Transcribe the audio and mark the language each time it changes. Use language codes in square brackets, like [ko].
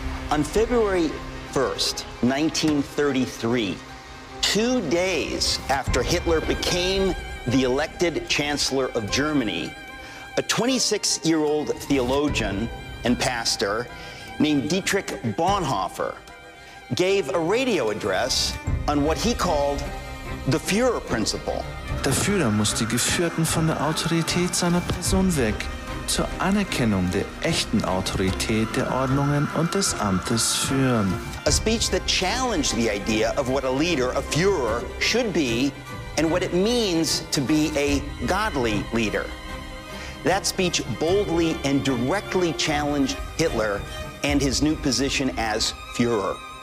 [en] On February 1st, 1933, 2 days after Hitler became the elected Chancellor of Germany, a 26-year-old theologian and pastor named Dietrich Bonhoeffer gave a radio address on what he called the Führer Principle. [de] Der Führer muss die Geführten von der Autorität seiner Person weg zur Anerkennung der echten Autorität der Ordnungen und des Amtes führen. [en] A speech that challenged the idea of what a leader, a Führer, should be and what it means to be a godly leader. That speech boldly and directly challenged Hitler and his new position as Führer.